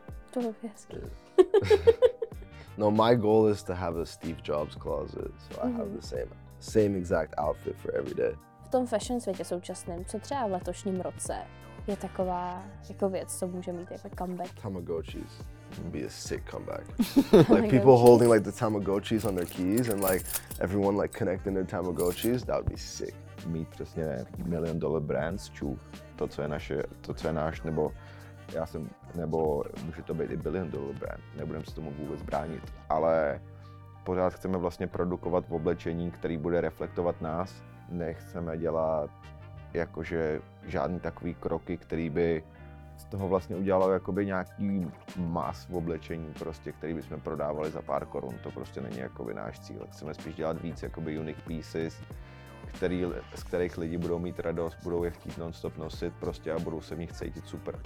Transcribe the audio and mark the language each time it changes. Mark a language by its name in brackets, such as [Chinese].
[Czech] To je hezký. [English] No, my goal is to have a Steve Jobs closet, so I have the same exact outfit for every day. [Czech] V tom fashion světě současném, co třeba v letošním roce, je taková jako věc, co může mít jako comeback? [English] Tamagotchis. Be a sick comeback. Like people holding like the Tamagotchis on their keys and like everyone like connecting their Tamagotchis, that would be sick. [Czech] Mít přesně million dollar brands, to co je náš, nebo já jsem, nebo může to být i billion dollar brand, nebudem se tomu vůbec bránit, ale pořád chceme vlastně produkovat oblečení, který bude reflektovat nás, nechceme dělat jakože žádný takový kroky, který by z toho vlastně udělalo jakoby nějaký mas v oblečení prostě, který bychom prodávali za pár korun, to prostě není jakoby náš cíl, chceme spíš dělat víc jakoby unique pieces, z kterých lidi budou mít radost, budou je chtít non-stop nosit prostě a budou se v nich cítit super.